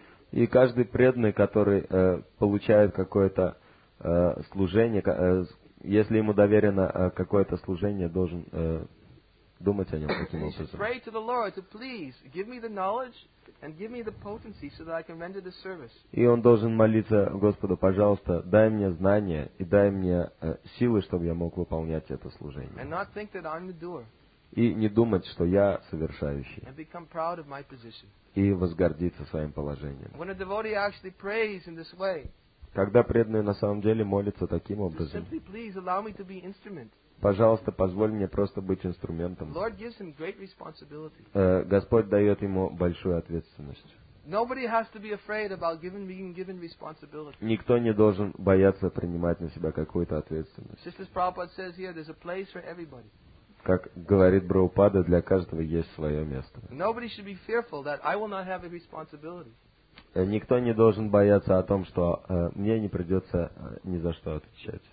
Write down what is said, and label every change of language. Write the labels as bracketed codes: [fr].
[ru] И каждый преданный, который получает какое-то служение, если ему доверено какое-то служение, должен думать о нем таким образом. [en] And give me the potency so that I can render the service. [ru] И он должен молиться Господу, пожалуйста, дай мне знания и дай мне силы, чтобы я мог выполнять это служение. [en] And not think that I'm the doer. [ru] И не думать, что я совершающий. [en] And become proud of my position. [ru] И возгордиться своим положением. [en] When a devotee actually prays in this way. [ru] Когда преданный на самом деле молится таким образом. [en] Simply please allow me to be instrument. [ru] Пожалуйста, позволь мне просто быть инструментом. [en] Lord gives him great responsibility. [ru] Господь дает ему большую ответственность. [en] Nobody has to be afraid about giving, being given responsibility. [ru] Никто не должен бояться принимать на себя какую-то ответственность. [en] Sister Prabhupada says here, there's a place for everybody. [ru] Как говорит Прабхупада, для каждого есть свое место. [en] Nobody should be fearful that I will not have a responsibility. [ru] Никто не должен бояться о том, что мне не придется ни за что отвечать.